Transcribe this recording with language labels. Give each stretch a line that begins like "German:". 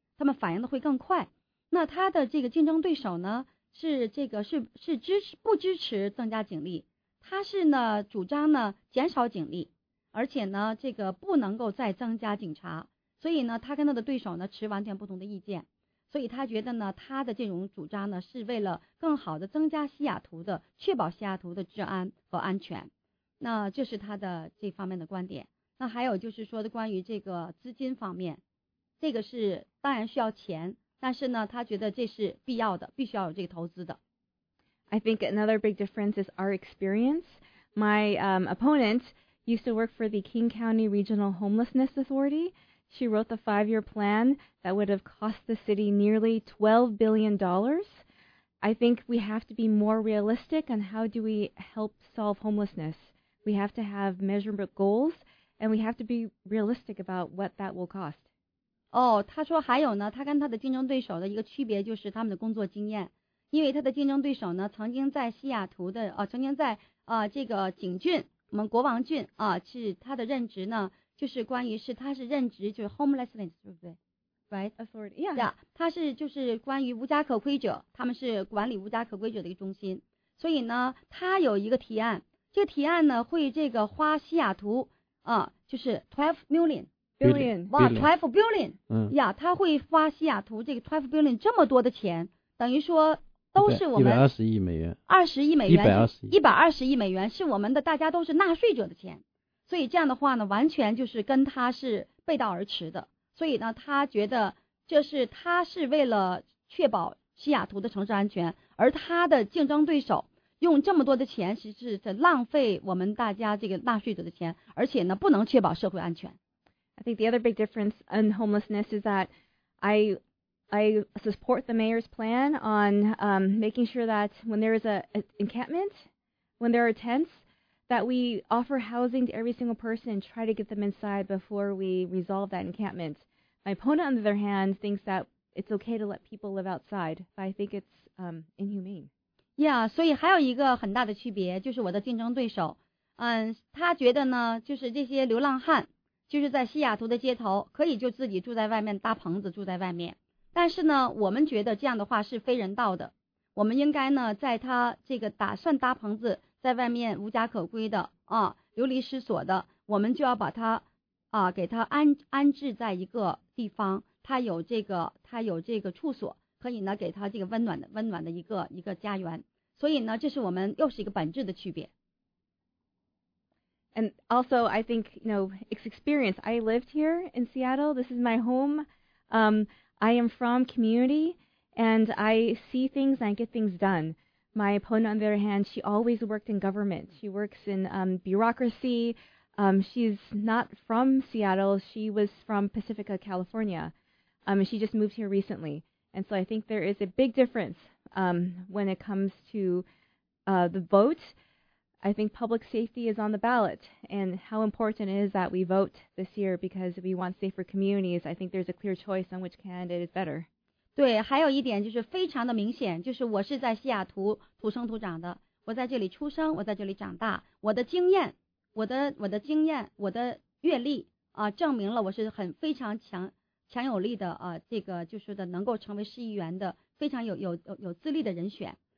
Chinese: 他们反应的会更快。那他的这个竞争对手呢，是这个是支持不支持增加警力，他是呢主张呢减少警力，而且呢这个不能够再增加警察，所以呢他跟他的对手呢持完全不同的意见，所以他觉得呢他的这种主张呢是为了更好的增加西雅图的，确保西雅图的治安和安全。那这是他的这方面的观点。那还有就是说的关于这个资金方面，这个是当然需要钱，但是呢他觉得这是必要的，必须要有这个投资的。
English: I think another big difference is our experience. My opponent used to work for the King County Regional Homelessness Authority. She wrote the 5-year plan that would have cost the city nearly $12 billion. I think we have to be more realistic on how do we help solve homelessness. We have to have measurable goals, and we have to be realistic about what that will cost.
Chinese: 哦，他说还有呢，他跟他的竞争对手的一个区别就是他们的工作经验，因为他的竞争对手呢曾经在西雅图的曾经在这个警郡，我们国王郡是他的任职呢，就是关于是他是任职就是 homelessness 对不对
English: right authority yeah.
Chinese: yeah 他是就是关于无家可归者，他们是管理无家可归者的一个中心，所以呢他有一个提案，这个提案呢会这个花西雅图就是 12 billion、yeah, 他会花西雅图这个 12 billion 这么多的钱，等于说都是我们 120亿美元是我们的，大家都是纳税者的钱，所以这样的话呢完全就是跟他是背道而驰的，所以呢他觉得这是他是为了确保西雅图的城市安全，而他的竞争对手用这么多的钱其实是在浪费我们大家这个纳税者的钱，而且呢不能确保社会安全。
English: I think the other big difference in homelessness is that I support the mayor's plan on making sure that when there is an encampment, when there are tents, that we offer housing to every single person and try to get them inside before we resolve that encampment. My opponent, on the other hand, thinks that it's okay to let people live outside, but I think it's inhumane.
Chinese: Yeah, 所以还有一个很大的区别，就是我的竞争对手，他觉得呢，就是这些流浪汉就是在西雅图的街头可以就自己住在外面搭棚子住在外面，但是呢我们觉得这样的话是非人道的，我们应该呢在他这个打算搭棚子在外面无家可归的流离失所的，我们就要把他给他安置在一个地方，他有这个处所，可以呢给他这个温暖的一个家园，所以呢这是我们又是一个本质的区别。
English: And also, I think, you know, it's experience. I lived here in Seattle. This is my home. I am from community, and I see things and I get things done. My opponent, on the other hand, she always worked in government. She works in bureaucracy. She's not from Seattle. She was from Pacifica, California. And she just moved here recently. And so I think there is a big difference when it comes to the vote. I think public safety is on the ballot, and how important it is that we vote this year because we want safer communities. I think there's a clear choice on which candidate is better.
Chinese: 对，还有一点就是非常的明显，就是我是在西雅图土生土长的，我在这里出生，我在这里长大，我的经验，我的阅历证明了我是很非常强有力的这个就是的能够成为市议员的非常有资历的人选。